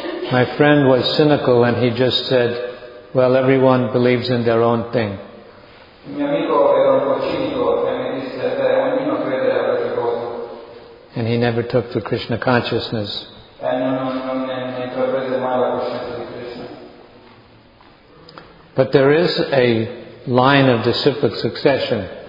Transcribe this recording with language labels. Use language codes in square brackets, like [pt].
[en] My friend was cynical and he just said, well, everyone believes in their own thing. [it] Il mio amico era un po' cinico e mi disse, beh, ognuno crede alle proprie cose. [en] And he never took to Krishna consciousness. [it] E non intraprese mai la coscienza di Krishna. [en] But there is a line of disciplic succession.